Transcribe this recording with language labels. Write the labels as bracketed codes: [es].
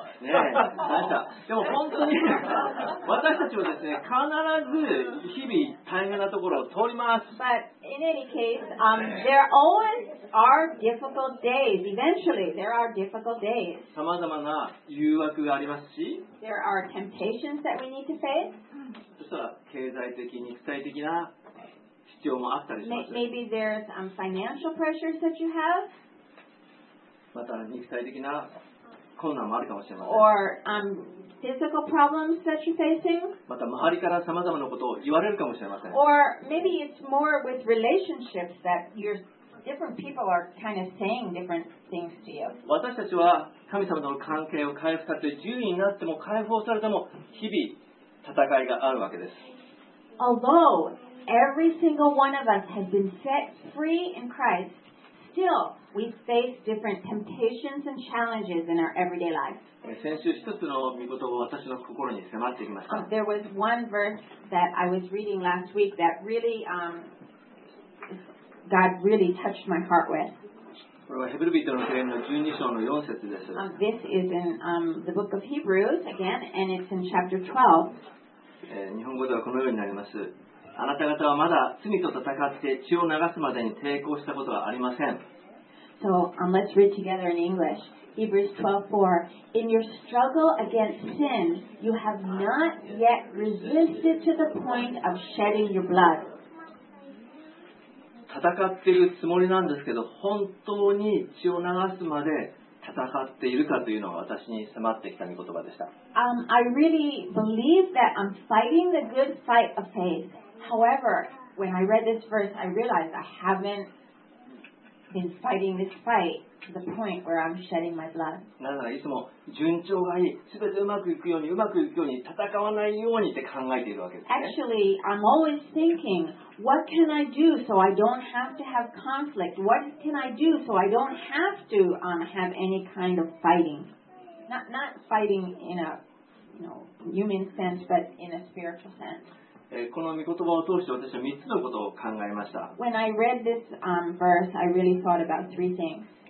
[ja] ね、でも本当に私たちはですね、必ず日々大変なところを通ります。 [en] But in any case, they're always. Are difficult days. Eventually, there are difficult days. [ja] さまざまな誘惑がありますし、 [en] there are temptations that we need to face. [ja] そしたら経済的、肉体的な必要もあったりします。 [en] Maybe there's financial pressures that you have. [ja] また肉体的な困難もあるかもしれません。 [en] Or physical problems that you're facing. また周りからさまざまなことを言われるかもしれません。 Or maybe it's more with relationships that you're. Different people are kind of saying different things to you. [ja] 私たちは神様との関係を回復されて自由になっても解放されても日々戦いがあるわけです。 [en] Although every single one of us has been set free in Christ, still we face different temptations and challenges in our everyday life. [ja] 先週一つの御言葉を私の心に迫ってきました。 [en] There was one verse that I was reading last week that really, God really touched my heart with. This is in the book of Hebrews again, and it's in chapter 12. [ja] 日本語ではこのようになります。あなた方はまだ罪と戦って血を流すまでに抵抗したことはありません。 [en] So let's read together in English. Hebrews 12:4. In your struggle against sin, you have not yet resisted to the point of shedding your blood. [ja] 戦っているつもりなんですけど、本当に血を流すまで戦っているかというのが私に迫ってきた御言葉でした。 [en] I really believe that I'm fighting the good fight of faith. However, when I read this verse, I realized I haven't been fighting this fight to the point where I'm shedding my blood. [ja] なぜならいつも順調がいい、すべてうまくいくように戦わないようにって考えているわけですね。 [en] Actually, I'm always thinking. What can I do so I don't have to have conflict? What can I do so I don't have to have any kind of fighting? Not fighting in a human sense, but in a spiritual sense. [ja] この御言葉を通して私は三つのことを考えました。 [en] When I read this verse, I really thought about three things.